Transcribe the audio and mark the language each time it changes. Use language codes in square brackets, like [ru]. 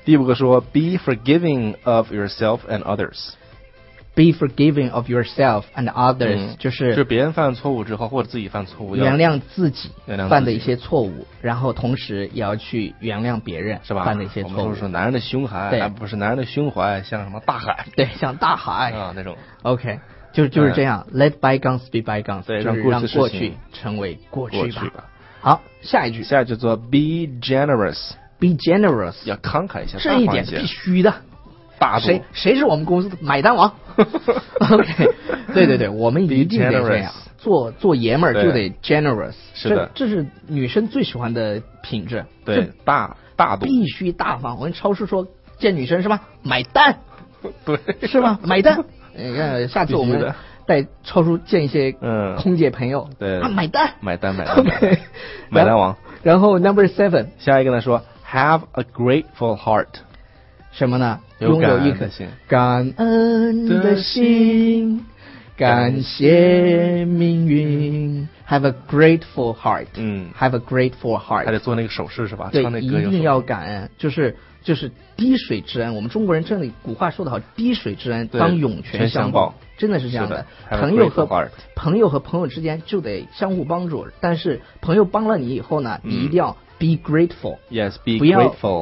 [zh] 第五个说 [en] be forgiving of yourself and others。 be forgiving of yourself and others、 [zh] 嗯、就是别人犯错误之后或者自己犯错误，原谅自己犯的一些错误，然后同时也要去原谅别人是吧犯的一些错误。我们说男人的胸怀，对，不是男人的胸怀，像什么大海，对，像大海啊那种。 OK。就是这样、 [en] let bygones be bygones， [zh] 对，就是让过去成为过去吧。好，下一句，下一句做 [en] be generous， be generous [zh] 要慷慨一下，这一点必须的，大度，谁是我们公司的买单王。OK， 对对对，我们一定得这样，做爷们儿就得 generous，是的，这是女生最喜欢的品质，对，大度，必须大方。我跟超市说见女生是吧，买单，对，是吧，买单。下次我们带超叔见一些空姐朋友、对啊，买单买单买单、 [en] okay、 [zh] 买单王。然后 [en] number seven， [zh] 下一个呢说 [en] have a grateful heart， [zh] 什么呢，有感恩的心，感恩的心，感谢命运。 [en] have a grateful heart， have a grateful heart， [zh] 还得做那个手势是吧，对，唱那歌一定要感恩，就是就是滴水之恩，我们中国人真的古话说得好，滴水之恩当涌泉相报，真的是这样的朋友和朋友和朋友之间就得相互帮助，但是朋友帮了你以后呢，你一定要 [en] be grateful， yes， be grateful，